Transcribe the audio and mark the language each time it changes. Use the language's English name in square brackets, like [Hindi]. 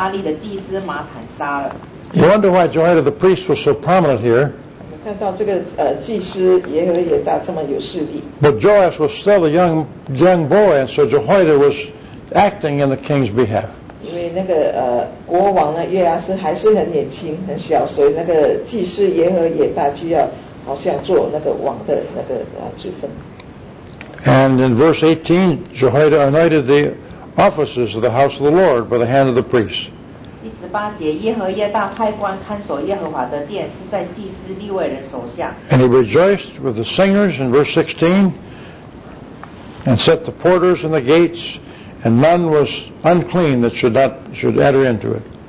[English] You wonder why Jehoiada the priest was so prominent here. But Joash was still a young boy, and so Jehoiada was acting in the king's behalf. [Chinese] 因为那个国王呢，约阿斯还是很年轻，很小，所以那个祭司耶和华也大，就要好像做那个王的那个职分。 [English] And in verse 18, Jehoiada anointed the officers of the house of the Lord by the hand of the priest. [Chinese] 第十八节，耶和华大派官看守耶和华的殿，是在祭司利未人手下。 [English] And he rejoiced with the singers in verse 16, and set the porters in the gates. And none was unclean that should enter into it.